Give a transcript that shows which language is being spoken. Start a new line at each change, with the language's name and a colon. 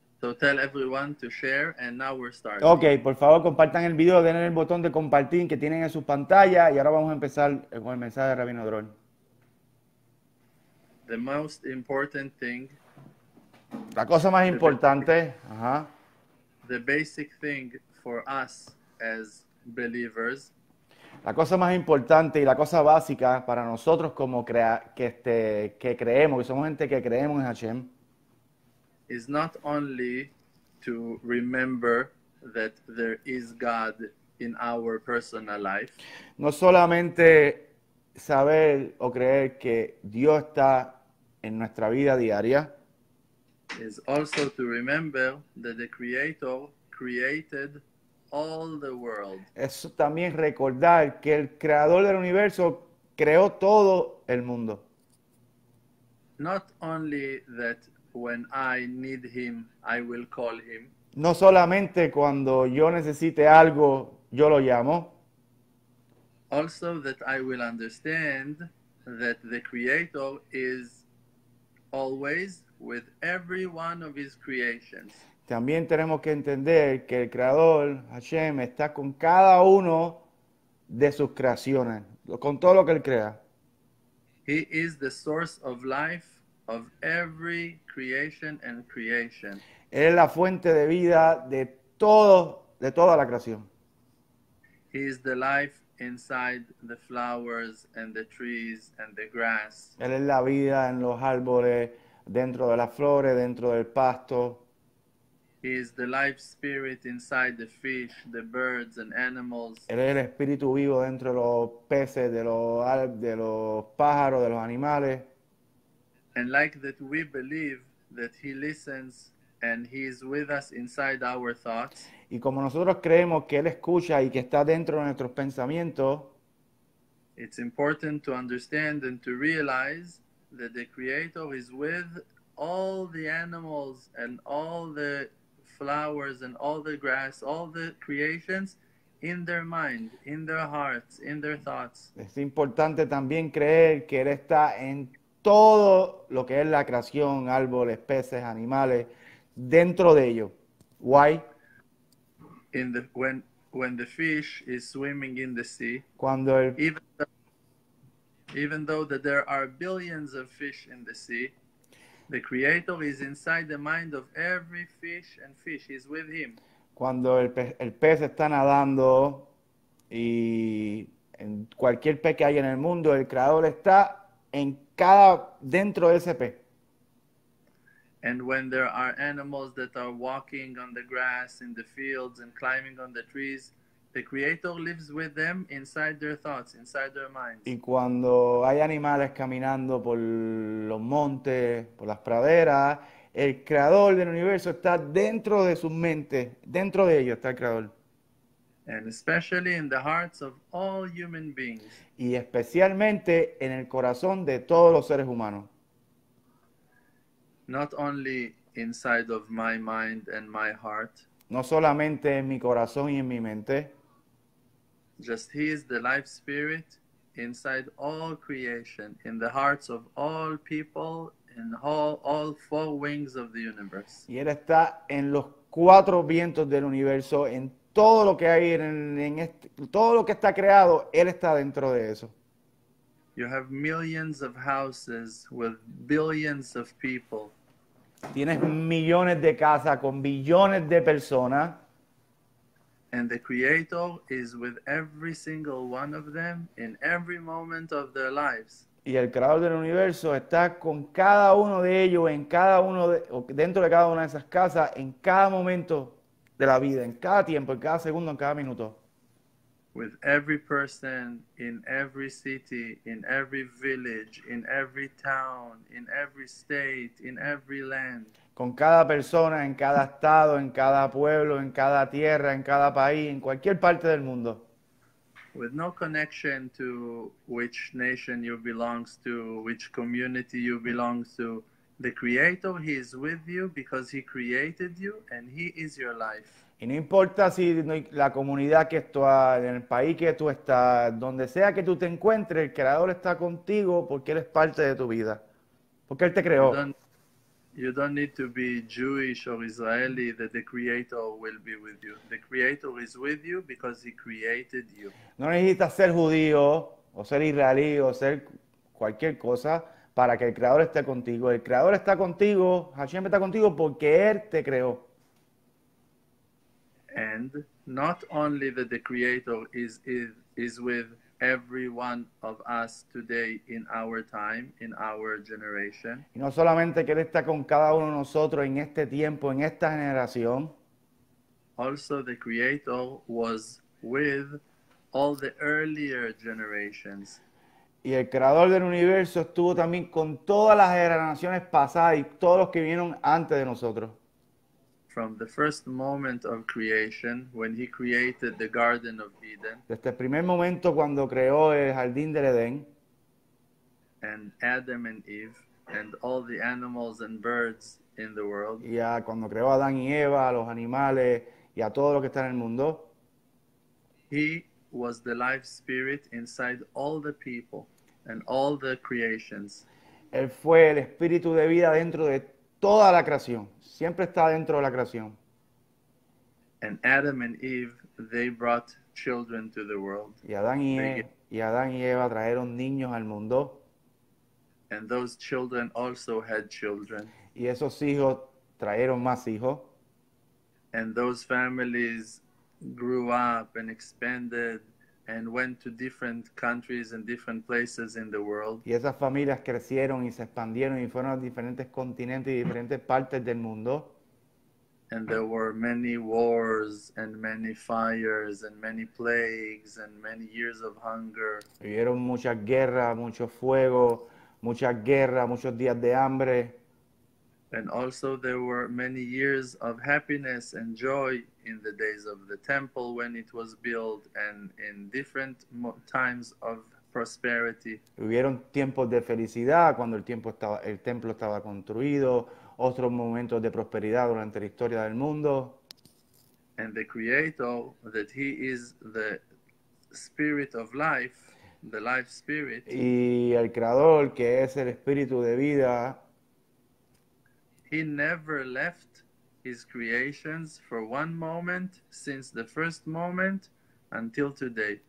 English: So tell everyone to share and now we're starting.
Spanish: Okay, por favor, compartan el video, denle el botón de compartir que tienen en su pantalla y ahora vamos a empezar con el mensaje de Rabino Drol.
English: The most important thing,
Spanish: la cosa más importante,
English: the basic thing for us as believers,
Spanish: la cosa más importante y la cosa básica para nosotros como que creemos, que somos gente que creemos en Hashem,
English: is not only to remember that there is God in our personal life,
Spanish: no solamente saber o creer que Dios está en nuestra vida diaria,
English: is also to remember that the Creator created all the world.
Spanish: Es también recordar que el creador del universo creó todo el mundo.
English: Not only that when I need him, I will call him.
Spanish: No solamente cuando yo necesite algo, yo lo llamo.
English: Also that I will understand that the Creator is always with every one of his creations.
Spanish: También tenemos que entender que el creador Hashem está con cada uno de sus creaciones, con todo lo que él crea.
English: He is the source of life of every creation and creation.
Spanish: Él es la fuente de vida de todo, de toda la creación.
English: He is the life inside the flowers and the trees and the grass.
Spanish: Él es la vida en los árboles, dentro de las flores, dentro del pasto.
English: He is the life spirit inside the fish, the birds and animals.
Spanish: Él es el espíritu vivo dentro de los peces, de los pájaros, de los animales.
English: And like that we believe that he listens and he is with us inside our thoughts.
Spanish: Y como nosotros creemos que él escucha y que está dentro de nuestros pensamientos,
English: it's important to understand and to realize that the Creator is with all the animals and all the flowers and all the grass, all the creations in their mind, in their hearts, in their thoughts.
Spanish: Es importante también creer que él está en todo lo que es la creación, árboles, peces, animales, dentro de ello.
English: Why? In the when when the fish is swimming in the sea,
Spanish: cuando el...
English: even though that there are billions of fish in the sea, the creator is inside the mind of every fish and fish is with him.
Spanish: Cuando el pez está nadando y en cualquier pez que haya en el mundo, el creador está en cada dentro de ese pez.
English: And when there are animals that are walking on the grass in the fields and climbing on the trees, the creator lives with them inside their thoughts, inside their minds.
Spanish: Y cuando hay animales caminando por los montes, por las praderas, el creador del universo está dentro de sus mentes, dentro de ellos está el creador.
English: And especially in the hearts of all human beings.
Spanish: Y especialmente en el corazón de todos los seres humanos.
English: Not only inside of my mind and my heart.
Spanish: No solamente en mi corazón y en mi mente.
English: Just he is the life spirit inside all creation, in the hearts of all people, in all four wings of the universe.
Spanish: Y él está en los cuatro vientos del universo, en todo lo que hay todo lo que está creado, él está dentro de eso.
English: You have millions of houses with billions of people.
Spanish: Tienes millones de casas con billones de personas.
English: And the creator is with every single one of them in every moment of their lives.
Spanish: Y el creador del universo está con cada uno de ellos en cada uno de o dentro de cada una de esas casas en cada momento de la vida, en cada tiempo, en cada segundo, en cada minuto.
English: With every person in every city, in every village, in every town, in every state, in every land.
Spanish: Con cada persona en cada estado, en cada pueblo, en cada tierra, en cada país, en cualquier parte del mundo.
English: With no connection to which nation you belong to, which community you belong to, the creator, he is with you because he created you and he is your life.
Spanish: Y no importa si la comunidad que tú estás, en el país que tú estás, donde sea que tú te encuentres, el creador está contigo porque él es parte de tu vida. Porque él te creó.
English: You don't need to be Jewish or Israeli that the creator will be with you. The creator is with you because he created you.
Spanish: No necesitas ser judío o ser israelí o ser cualquier cosa para que el creador esté contigo. El creador está contigo, Hashem está contigo porque él te creó.
English: And not only that the creator is with every one of us today in our time, in our generation.
Spanish: Y no solamente que él está con cada uno de nosotros en este tiempo, en esta generación.
English: Also the creator was with all the earlier generations.
Spanish: Y el creador del universo estuvo también con todas las generaciones pasadas y todos los que vinieron antes de nosotros.
English: From the first moment of creation, when he created the Garden of Eden.
Spanish: Desde el primer momento cuando creó el jardín del Edén.
English: And Adam and Eve, and all the animals and birds in the world.
Spanish: Y a cuando creó a Adán y Eva, a los animales, y a todo lo que está en el mundo.
English: He was the life spirit inside all the people and all the creations.
Spanish: Él fue el espíritu de vida dentro de toda la creación. Siempre está dentro de la creación.
English: And Adam and Eve, they brought children to the world.
Spanish: Y Adán y Eva trajeron niños al mundo.
English: And those children also had children.
Spanish: Y esos hijos trajeron más hijos.
English: And those families grew up and expanded and went to different countries and different places in the world.
Spanish: Y esas familias crecieron y se expandieron y fueron a diferentes continentes y diferentes partes del mundo.
English: And there were many wars and many fires and many plagues and many years of hunger.
Spanish: Hubieron muchas guerras, mucho fuego, muchas guerras, muchos días de hambre.
English: And also there were many years of happiness and joy in the days of the temple when it was built and in different times of prosperity.
Spanish: Hubieron tiempos de felicidad cuando el templo estaba construido, otros momentos de prosperidad durante la historia del mundo.
English: And the creator, that he is the spirit of life, the life spirit.
Spanish: Y el creador, que es el espíritu de vida,
English: he never left his creations for one moment since the first moment until today.